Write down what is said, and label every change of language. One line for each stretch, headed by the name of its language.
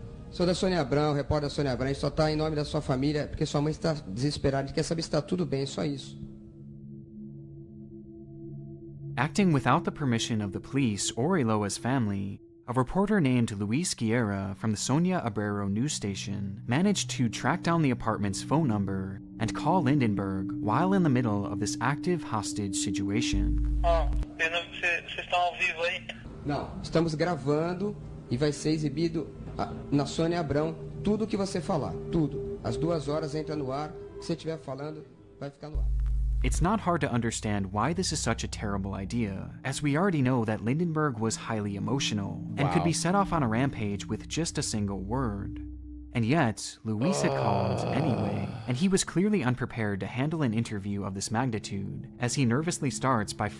Portuguese: Sou da Sônia Abrão, repórter da Sônia Abrão. A gente só tá em nome da sua família, porque sua mãe está desesperada. A gente quer saber se tá tudo bem, só isso.
English: Acting without the permission of the police or Eloa's family, a reporter named Luis Guerra from the Sonia Abrero news station managed to track down the apartment's phone number and call Lindenberg while in the middle of this active hostage situation.
Portuguese: Vocês estão ao vivo aí? Não, estamos gravando e vai ser exibido na Sonia Abrão tudo o que você falar, tudo. Às duas horas entra no ar, se você estiver falando, vai ficar no ar.
English: It's not hard to understand why this is such a terrible idea, as we already know that Lindenberg was highly emotional and could be set off on a rampage with just a single word. And yet, Luis had called anyway, and he was clearly unprepared to handle an interview of this magnitude, as he nervously starts by...